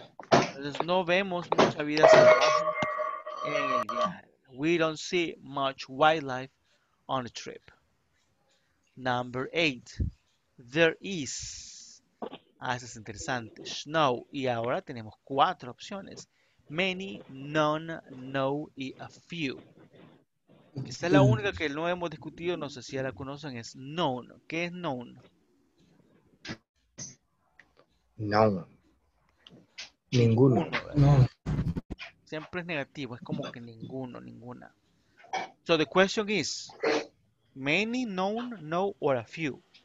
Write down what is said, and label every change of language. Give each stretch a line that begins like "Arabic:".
Spanish: Entonces no vemos mucha vida salvaje en el viaje.
English: We don't see much wildlife on a trip. Number eight. There is.
Spanish: Ah, eso es interesante. Snow. Y ahora tenemos cuatro opciones.
English: Many, none, no y a few.
Spanish: Esta es la única que no hemos discutido. No sé si ya la conocen. Es known. ¿Qué es known? Known. Ninguno. No. Siempre es negativo, es como que ninguno, ninguna.
English: So the question is, many, known, no, or a few?